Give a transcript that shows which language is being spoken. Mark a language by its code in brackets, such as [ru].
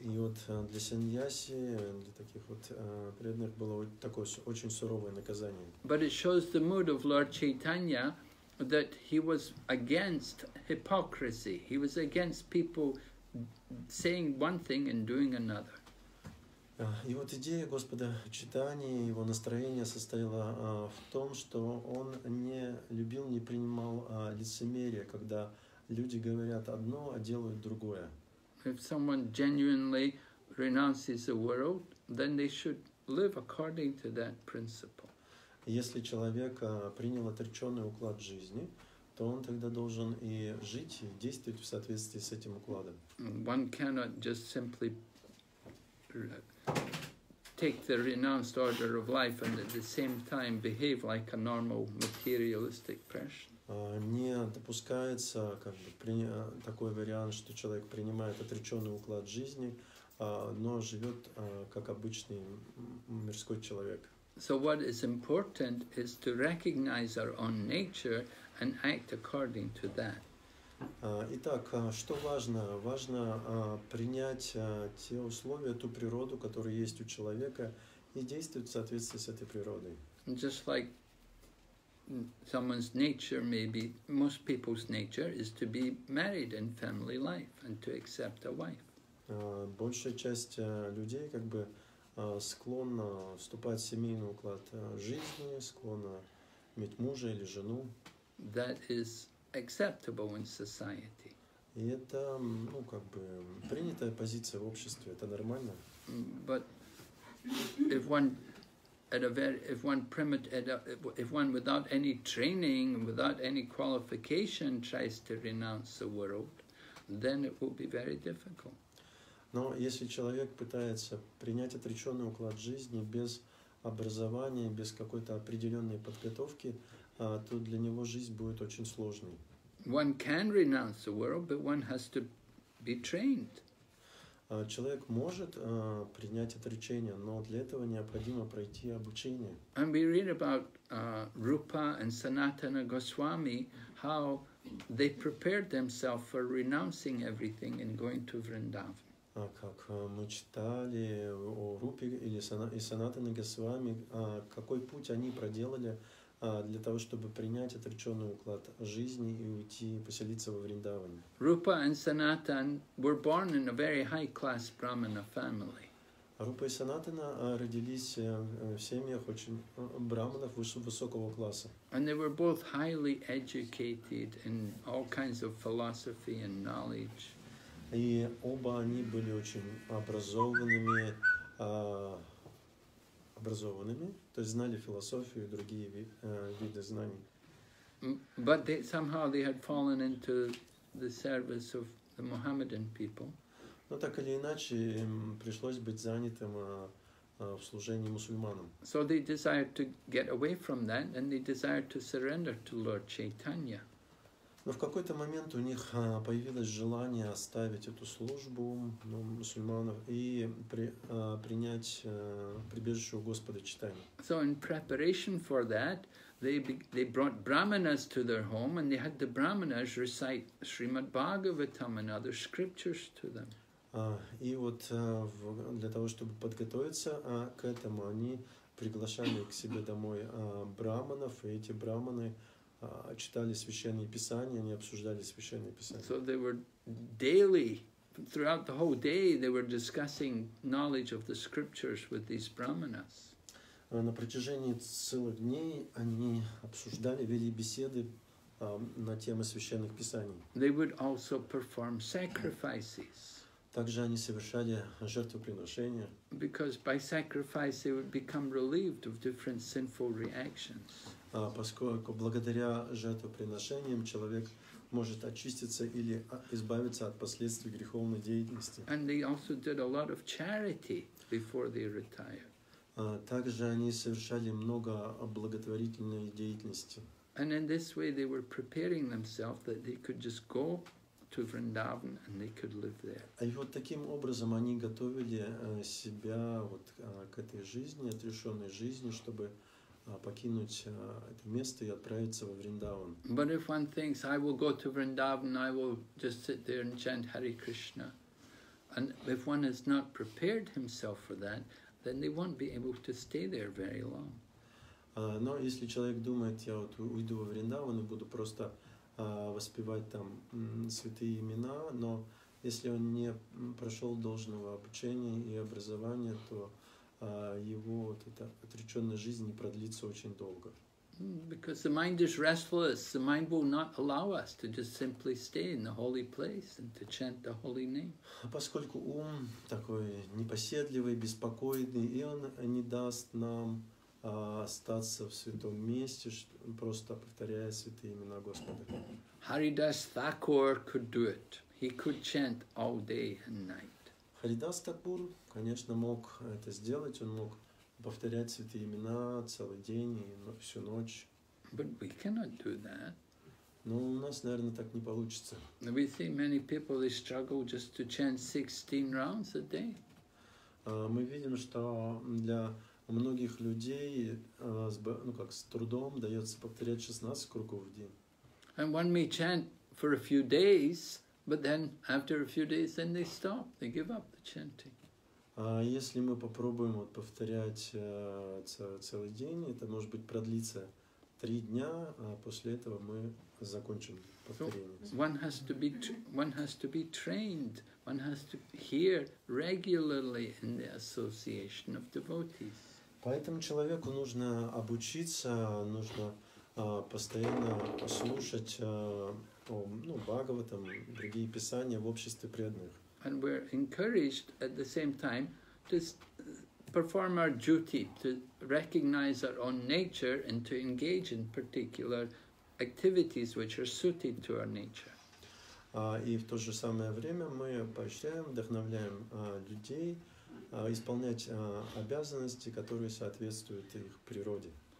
[ru] И вот для саньяси, для таких вот преданных было такое очень суровое наказание. [en] But it shows the mood of Lord Chaitanya that he was against hypocrisy. He was against people saying one thing and doing another. [ru] И вот идея Господа Чайтаньи, его настроение состояло в том, что он не любил, не принимал лицемерие, когда люди говорят одно, а делают другое. [en] If someone genuinely renounces the world, then they should live according to that principle. [ru] Если человек принял отреченный уклад жизни, то он тогда должен и жить, и действовать в соответствии с этим укладом. [en] One cannot just simply take the renounced order of life and at the same time behave like a normal materialistic person. [ru] Не допускается как бы такой вариант, что человек принимает отреченный уклад жизни, но живет как обычный мирской человек. [en] So what is important is to recognize our own nature and act according to that. [ru] Итак, что важно? Важно принять те условия, ту природу, которая есть у человека, и действовать в соответствии с этой природой. [en] Just like someone's nature, maybe most people's nature, is to be married in family life and to accept a wife. [ru] Большая часть людей как бы склонна вступать в семейный уклад жизни, склонна иметь мужа или жену. [en] That is acceptable in society. [ru] И это, ну, как бы принятая позиция в обществе, это нормально. [en] But if one at a very, if one primitive, if one without any training, without any qualification, tries to renounce the world, then it will be very difficult. [ru] Но если человек пытается принять отреченный уклад жизни без образования, без какой-то определенной подготовки, то для него жизнь будет очень сложной. [en] One can renounce the world, but one has to be trained. [ru] Человек может принять отречение, но для этого необходимо пройти обучение. [en] And we read about Rupa and Sanatana Goswami, how they prepared themselves for renouncing everything and going to Vrindavan. [ru] Как мы читали о Рупе или Санатане Госвами, какой путь они проделали для того, чтобы принять отреченный уклад жизни и уйти поселиться во Вриндаване. [en] Rupa and Sanatan were born in a very high-class Brahmana family. [ru] Рупа и Санатана родились в семьях очень брахманов высокого класса. [en] And they were both highly educated in all kinds of philosophy and knowledge. [ru] И оба они были очень образованными, то есть знали философию и другие виды знаний. [en] But they, somehow they had fallen into the service of the Mohammedan people. [ru] Но так или иначе им пришлось быть занятым в служении мусульманам. [en] So they desired to get away from that, and they desired to surrender to Lord Chaitanya. [ru] Но в какой-то момент у них появилось желание оставить эту службу, ну, мусульманов и принять прибежище у Господа Читания. [en] So in preparation for that, they brought brahmanas to their home and they had the brahmanas recite Srimad Bhagavatam and other scriptures to them. [ru] И вот для того, чтобы подготовиться к этому, они приглашали к себе домой брахманов, и эти брахманы читали священные писания, они обсуждали священные писания. [en] So they were daily, throughout the whole day, they were discussing knowledge of the scriptures with these brahmanas. [ru] На протяжении целых дней они обсуждали, вели беседы на темы священных писаний. [en] They would also perform sacrifices. [ru] Также они совершали жертвоприношения. [en] Because by sacrifice they would become relieved of different sinful reactions. [ru] Поскольку благодаря жертвоприношениям человек может очиститься или избавиться от последствий греховной деятельности. [en] And they also did a lot of charity before they retired. [ru] Также они совершали много благотворительной деятельности. [en] And in this way they were preparing themselves that they could just go to Vrindavan and they could live there. [ru] И вот таким образом они готовили себя вот к этой жизни, отрешенной жизни, чтобы покинуть это место и отправиться во Вриндаван. [en] But if one thinks, I will go to Vrindavan, I will just sit there and chant Hare Krishna, and if one has not prepared himself for that, then they won't be able to stay there very long. [ru] Но если человек думает, я вот уйду во Вриндаван и буду просто воспевать там святые имена, но если он не прошел должного обучения и образования, то его вот эта отреченная жизнь не продлится очень долго. [en] Because the mind is restless, the mind will not allow us to just simply stay in the holy place and to chant the holy name. [ru] Поскольку ум такой непоседливый, беспокойный, и он не даст нам остаться в святом месте, просто повторяя святые имена Господа. [en] Haridas Thakur could do it. He could chant all day and night. [ru] Харидас Такур, конечно, мог это сделать, он мог повторять святые имена целый день и всю ночь. [en] But we cannot do that. [ru] Но у нас, наверное, так не получится. [en] We see many people, they struggle just to chant 16 rounds a day. [ru] Мы видим, что для многих людей с трудом дается повторять 16 кругов в день. [en] And one may chant for a few days. But then, after a few days, then they stop. They give up the chanting. [ru] Если мы попробуем повторять целый день, это может быть продлится три дня, а после этого мы закончим повторение. [en] One has to be trained. One has to hear regularly in the association of devotees. [ru] Поэтому человеку нужно обучиться, нужно постоянно слушать Бхагаватам, другие писания в обществе преданных. [en] And we're encouraged at the same time to perform our duty, to recognize our own nature and to engage in particular activities which are suited to our nature. [ru] И в то же самое время мы поощряем, вдохновляем людей исполнять обязанности, которые соответствуют их природе.